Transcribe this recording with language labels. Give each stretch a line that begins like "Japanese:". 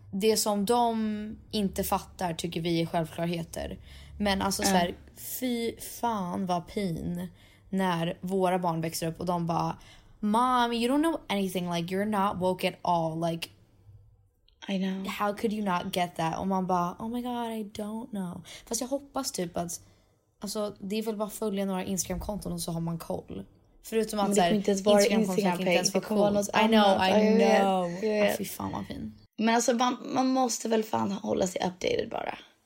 Swedish: Det som de inte fattar tycker vi är självklarheter. Men alltså så här, fy fan vad pin när våra barn växer upp och de bara,
English: mom, you don't know anything, like you're not woke at all, like I know. How could you not get that?
Swedish: Och man bara,
English: oh my god, I don't know.
Swedish: Fast jag hoppas typ att alltså det är väl bara följa några Instagram-konton och så har man koll. Förutom att det inte ens vara Instagram-page. Det kommer vara något annat.
English: I know.
Swedish: Fy fan vad fin. Men alltså man måste väl fan hålla sig updated bara.